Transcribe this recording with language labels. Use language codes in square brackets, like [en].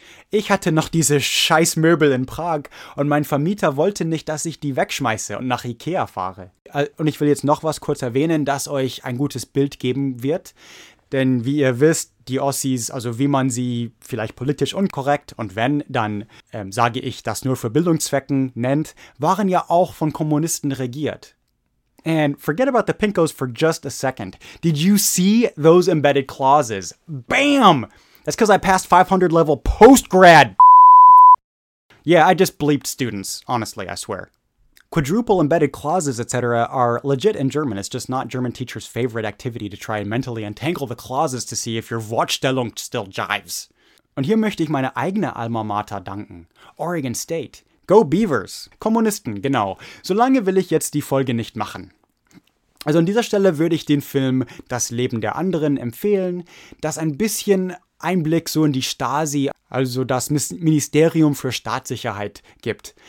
[de] Ich hatte noch diese scheiß Möbel in Prag und mein Vermieter wollte nicht, dass ich die wegschmeiße und nach Ikea fahre. Und ich will jetzt noch was kurz erwähnen, das euch ein gutes Bild geben wird. Denn wie ihr wisst, die Ossis, also wie man sie vielleicht politisch unkorrekt und wenn, dann sage ich das nur für Bildungszwecken nennt, waren ja auch von Kommunisten regiert. [en] And forget about the Pinkos for just a second. Did you see those embedded clauses? Bam! That's because I passed 500 level post-grad. Yeah, I just bleeped students, honestly, I swear. Quadruple embedded clauses, etc. are legit in German. It's just not German teachers' favorite activity to try and mentally entangle the clauses to see if your Wortstellung still jives. [de] Und hier möchte ich meine eigene Alma Mater danken. Oregon State. [en] Go Beavers. [de] Kommunisten, genau. So lange will ich jetzt die Folge nicht machen. Also an dieser Stelle würde ich den Film Das Leben der Anderen empfehlen, das ein bisschen Einblick so in die Stasi, also das Ministerium für Staatssicherheit, gibt.